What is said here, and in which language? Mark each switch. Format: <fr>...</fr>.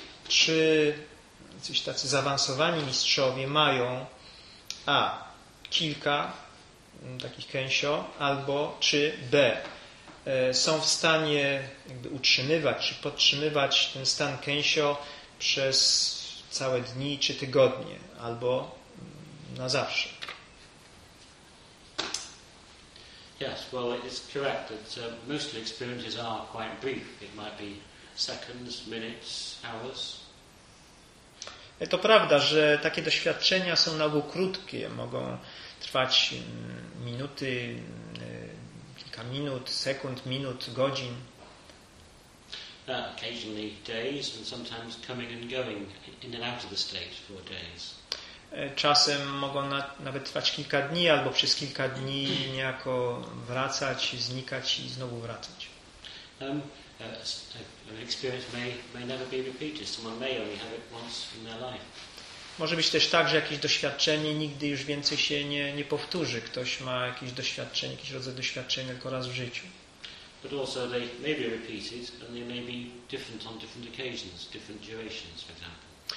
<pl>Czy coś tacy zaawansowani mistrzowie mają A, kilka takich kensio, albo czy B, są w stanie jakby utrzymywać czy podtrzymywać ten stan kensio przez całe dni czy tygodnie, albo na zawsze?</pl> <en>Yes, well, it is correct that most experiences are quite brief. It might be seconds, minutes, hours.</en> <pl>To prawda, że takie doświadczenia są na ogół krótkie, mogą trwać minuty, kilka minut, sekund, minut, godzin.</pl> <en>Occasionally days and sometimes coming and going in and out of the state for days.</en> <pl>Czasem mogą nawet trwać kilka dni albo przez kilka dni niejako wracać, znikać i znowu wracać.</pl> <en>An experience may never be repeated. Someone may only have it once in their life.</en> <pl>Może być też tak, że jakieś doświadczenie nigdy już więcej się nie powtórzy. Ktoś ma jakieś doświadczenie, jakiś rodzaj doświadczenia tylko raz w życiu.</pl> <en>But also they may be repeated and they may be different on different occasions, different durations, for example.</en>